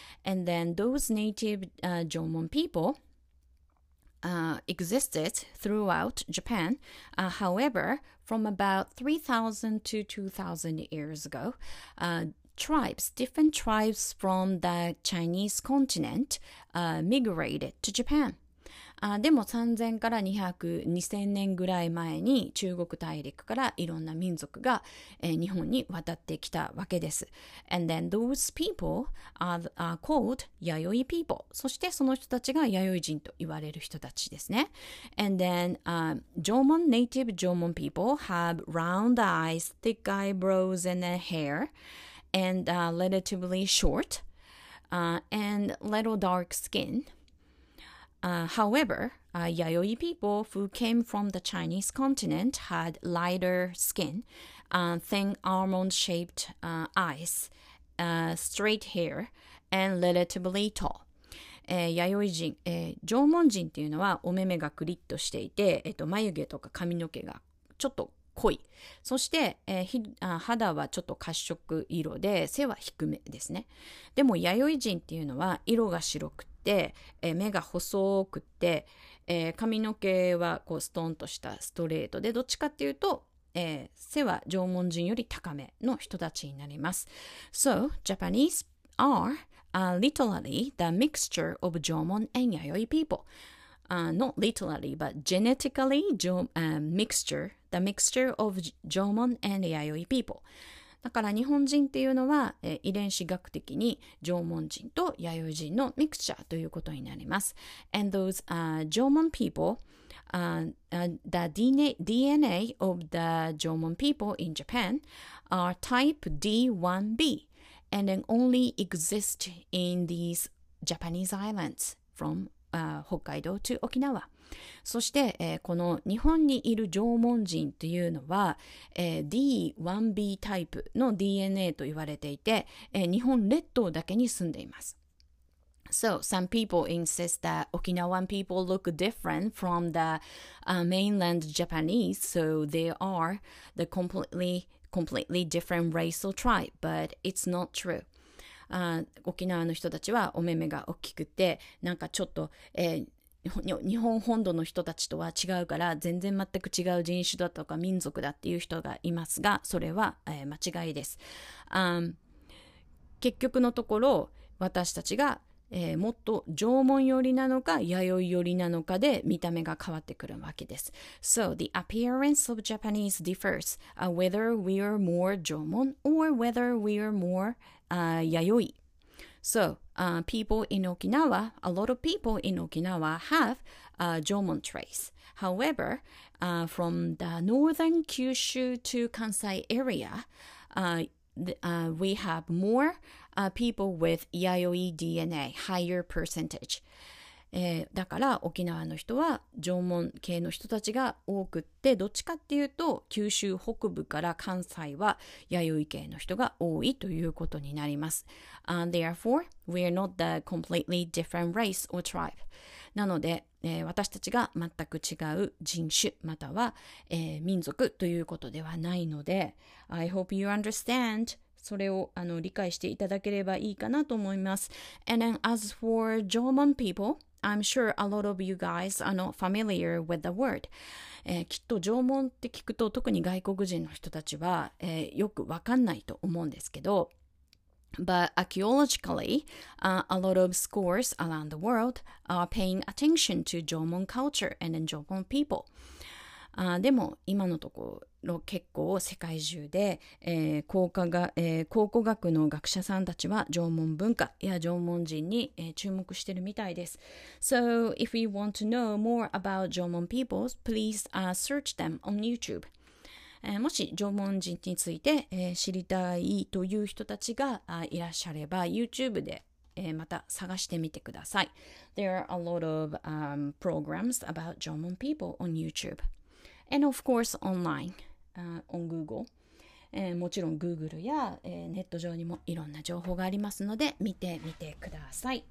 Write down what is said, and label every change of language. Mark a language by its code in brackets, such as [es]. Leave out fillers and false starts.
[en] And then those native, 縄文 people, existed throughout Japan. However, from about 3,000 to 2,000 years ago, tribes, different tribes from the Chinese continent, migrated to Japan. [ja] でも3000から200、2000年ぐらい前に中国大陸からいろんな民族が、日本に渡ってきたわけです。 [en] And then those people are called 弥生 people. [ja] そしてその人たちが弥生人と言われる人たちですね。 [en] And then, 縄文 people have round eyes, thick eyebrows and a hair, and relatively short, and little dark skin. However, Yayoi people who came from the Chinese continent had lighter skin, thin almond-shaped eyes, straight hair, and relatively tall. [ja] 弥生人、縄文人っていうのはお目目がクリッとしていて、眉毛とか髪の毛がちょっと濃い。そして、肌はちょっと褐色色で、背は低めですね。でも弥生人っていうのは色が白くて、で目が細くって、髪の毛はこうストンとしたストレートで、どっちかっていうと、背は縄文人より高めの人たちになります。 [en] So, Japanese are, literally the mixture of 縄文 and 弥生 people. Not literally, but genetically, the mixture of 縄文 and 弥生 people. [ja] だから日本人っていうのは、遺伝子学的に縄文人と弥生人のミクチャーということになります。 [en] And those, 縄文 people, the DNA of the 縄文 people in Japan are type D1B and then only exist in these Japanese islands from, 北海道 to 沖縄。 [ja] そして、この日本にいる縄文人というのは、D1B タイプの DNA と言われていて、日本列島だけに住んでいます。 [en] So, some people insist that Okinawan people look different from the, mainland Japanese, so they are the completely different race or tribe, but it's not true. [ja] 沖縄の人たちはお目目が大きくて、なんかちょっと、日本本土の人たちとは違うから全然全く違う人種だとか民族だっていう人がいますが、それは、間違いです。結局のところ私たちが、もっと縄文寄りなのか弥生寄りなのかで見た目が変わってくるわけです。 [en] So the appearance of Japanese differs, whether we are more 縄文 or whether we are more, 弥生。 So, people in Okinawa, a lot of people in Okinawa have, 縄文 traits. However, from the northern Kyushu to Kansai area, we have more, people with 弥生 DNA, higher percentage.、 [ja] だから沖縄の人は縄文系の人たちが多くって、どっちかっていうと九州北部から関西は弥生系の人が多いということになります。 [en] Therefore, we are not the completely different race or tribe. [ja] なので、私たちが全く違う人種または、民族ということではないので、 [en] I hope you understand. [ja] それを理解していただければいいかなと思います。 [en] And then as for 縄文 people, I'm sure a lot of you guys are not familiar with the word.、 [ja] きっと縄文って聞くと特に外国人の人たちは、よくわかんないと思うんですけど、 [en] But archaeologically,、a lot of scholars around the world are paying attention to 縄文 culture and then 縄文 people. [ja] でも今のところ結構世界中で、考古学の学者さんたちは縄文文化や縄文人に、注目してるみたいです。 [en] So if you want to know more about 縄文 people, please, search them on YouTube. [ja] もし縄文人について、知りたいという人たちが、いらっしゃれば YouTube でまた探してみてください。 [en] There are a lot of, programs about 縄文 people on YouTube. And of course, online, on Google.、 [ja] もちろん Google や、ネット上にもいろんな情報がありますので、見てみてください。